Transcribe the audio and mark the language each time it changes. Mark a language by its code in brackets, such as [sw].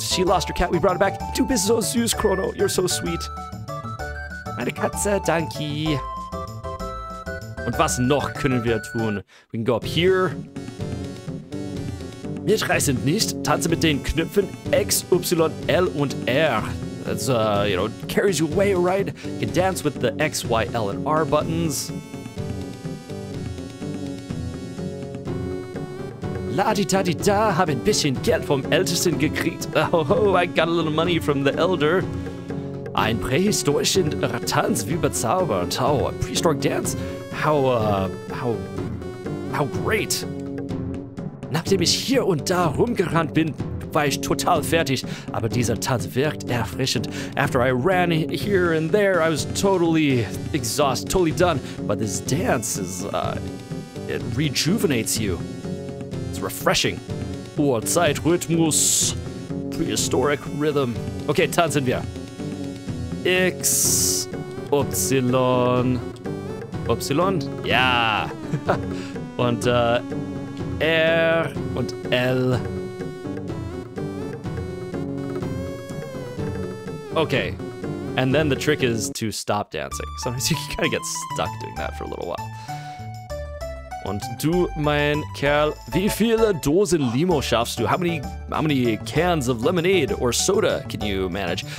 [en] She lost her cat, we brought her back. [de] Du bist so süß, [en] Crono, you're so sweet. [de] Meine Katze, danke. Und was noch können wir tun? [en] We can go up here. [de] Mitreißend nicht. Tanze mit den Knöpfen X, Y, L und R. [en] That's, you know, carries you away, right? You can dance with the X, Y, L and R buttons. [de] La-di-da-di-da, hab ein bisschen Geld vom Ältesten gekriegt. [en] Oh, I got a little money from the elder. [de] Ein prähistorischen Tanz wie bezaubernd. [en] Oh, a prehistoric dance? How great. [de] Nachdem ich hier und da rumgerannt bin, war ich total fertig. Aber dieser Tanz wirkt erfrischend. [en] After I ran here and there, I was totally exhausted, totally done. But this dance is, it rejuvenates you. Refreshing. [de] Uhrzeit, Rhythmus, [en] prehistoric rhythm. [de] Okay, tanzen wir. X, Upsilon, Upsilon, ja. Und R und L. [en] Okay, and then the trick is to stop dancing. Sometimes you kind of get stuck doing that for a little while. [de] Und du, mein Kerl, wie viele Dosen Limo schaffst du? [en] How many cans of lemonade or soda can you manage?